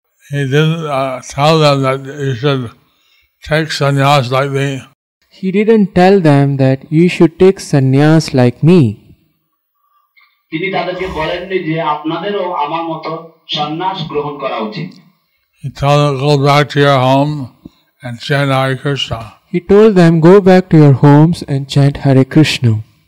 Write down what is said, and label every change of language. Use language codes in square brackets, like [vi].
[en] He didn't tell them that you should take sannyas like me. He didn't tell them that you should take sannyas like me. [bn] তিনি তাদেরকে বলেননি যে আপনাদেরও আমার মতো সন্ন্যাস গ্রহণ করা উচিত। [en] He He told them, go back to your home and chant Hare Krishna. He told them, go back to your homes and chant Hare Krishna.